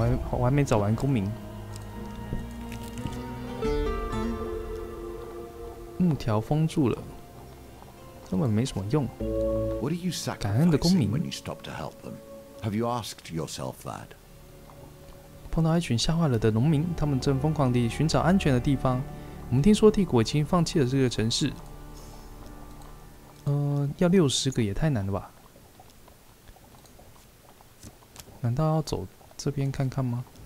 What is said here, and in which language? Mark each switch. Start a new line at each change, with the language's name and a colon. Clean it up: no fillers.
Chinese: 我还没找完公民。木条封住了，根本没什么用。
English: What are you sacrificing?
Chinese: 感恩的公民。
English: When you stop to help them, have you asked yourself that?
Chinese: 碰到一群吓坏了的农民，他们正疯狂地寻找安全的地方。我们听说帝国已经放弃了这个城市。要60个也太难了吧？难道要走这边看看吗？